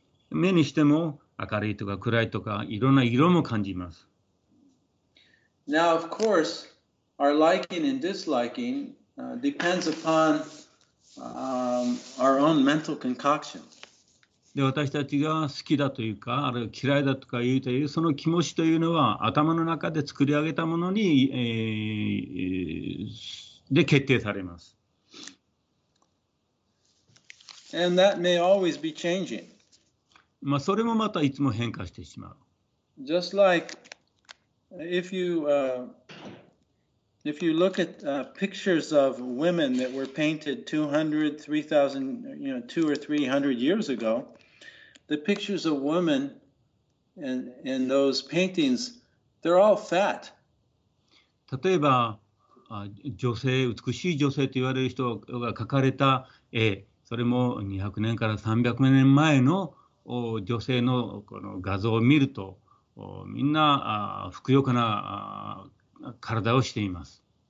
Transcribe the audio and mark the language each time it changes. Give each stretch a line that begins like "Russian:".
Japanese: 目にしても明るいとか暗いとかいろんな色も感じます。
English: Now, of course, our liking and disliking depends upon our own mental concoction.
Japanese: で、私たちが好きだというか、あるいは嫌いだとかいうというその気持ちというのは頭の中で作り上げたものに、で決定されます。
English: And that may always be changing.
Japanese: まあ、それもまたいつも変化してしまう。
English: Just like if you look at pictures of women that were painted 200, 3000, you know, 200 or 300 years ago, the pictures of women in those paintings, they're all fat.
Japanese: 例えば、女性、美しい女性と言われる人が描かれた絵、それも200年から300年前の女性 の, この画像を見るとみんなふくよかな体をしています。